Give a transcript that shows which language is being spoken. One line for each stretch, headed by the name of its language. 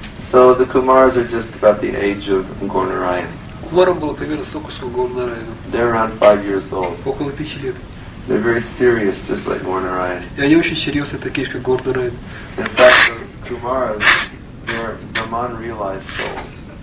English: So the Kumaras are just about the age of Govindarayan.
Russian: Кумарам было примерно столько, сколько Govindarayan.
English: They're around 5 years old.
Russian: Около 5 лет.
English: They're very serious, just like Govindarayan.
Russian: И они очень серьезные, такие же, как Govindarayan.
English: In fact, those Kumaras, they're Brahman-realized souls.